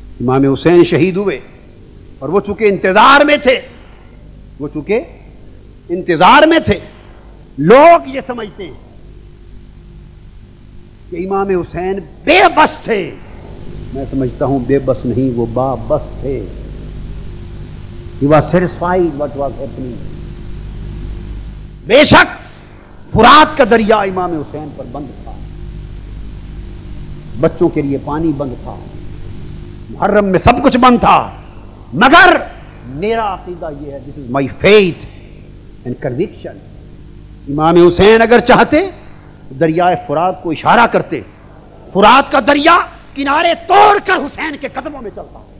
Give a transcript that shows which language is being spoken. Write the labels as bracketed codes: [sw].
[ur] امام حسین شہید ہوئے اور وہ چونکہ انتظار میں تھے, وہ چونکہ انتظار میں تھے, لوگ یہ سمجھتے ہیں کہ امام حسین بے بس تھے. میں سمجھتا ہوں بے بس نہیں, وہ با بس تھے. [en] He was satisfied what was happening. [ur] بے شک فرات کا دریا امام حسین پر بند تھا, بچوں کے لیے پانی بند تھا, محرم میں سب کچھ بند تھا, مگر میرا عقیدہ یہ ہے, [en] this is my faith and conviction, [ur] امام حسین اگر چاہتے دریائے فرات کو اشارہ کرتے, فرات کا دریا کنارے توڑ کر حسین کے قدموں میں چلتا.